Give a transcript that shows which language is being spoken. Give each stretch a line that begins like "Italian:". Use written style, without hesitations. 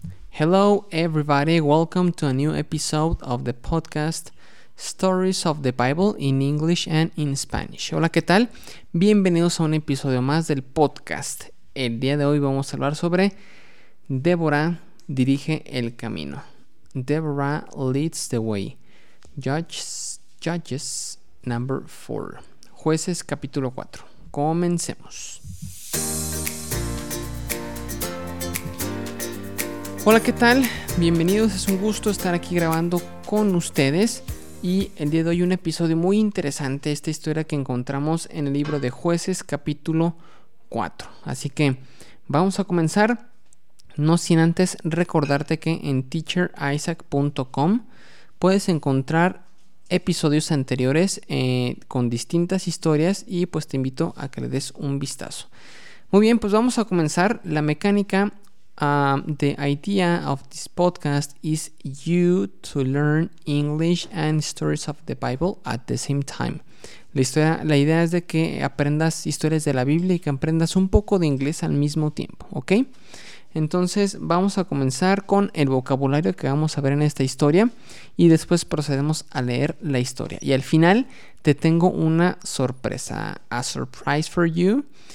English: Hello everybody, welcome to a new episode of the podcast Stories of the Bible in English and in Spanish.
Spanish: Hola, ¿qué tal? Bienvenidos a un episodio más del podcast. El día de hoy vamos a hablar sobre Deborah dirige el camino.
English: Deborah leads the way. Judges number 4.
Spanish: Jueces capítulo 4. Comencemos. Hola, ¿qué tal? Bienvenidos, es un gusto estar aquí grabando con ustedes. Y el día de hoy un episodio muy interesante, esta historia que encontramos en el libro de Jueces capítulo 4. Así que vamos a comenzar, no sin antes recordarte que en teacherisaac.com puedes encontrar episodios anteriores con distintas historias y pues te invito a que le des un vistazo. Muy bien, pues vamos a comenzar. La mecánica,
English: the idea of this podcast is you to learn English and stories of the Bible at the same time.
Spanish: La idea es de que aprendas historias de la Biblia y que aprendas un poco de inglés al mismo tiempo, ¿ok? Entonces vamos a comenzar con el vocabulario que vamos a ver en esta historia y después procedemos a leer la historia. Y al final te tengo una sorpresa,
English: a surprise for you.